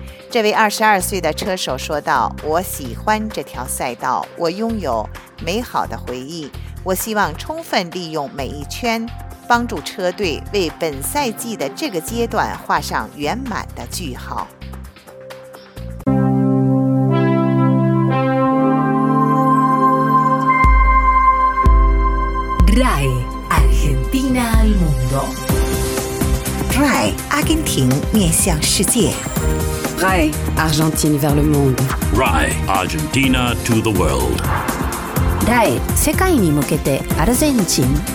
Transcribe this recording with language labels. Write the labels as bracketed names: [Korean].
[Chinese] 这位22岁的车手说道，我喜欢这条赛道，我拥有美好的回忆，我希望充分利用每一圈，帮助车队为本赛季的这个阶段画上圆满的句号。 [Spanish] RAE Argentina al mundo. [Chinese] RAE Argentina 面向世界。 [French] RAE Argentina vers le monde. [English] RAE Argentina to the world. [Japanese] RAE 世界に向けてアルゼンチン。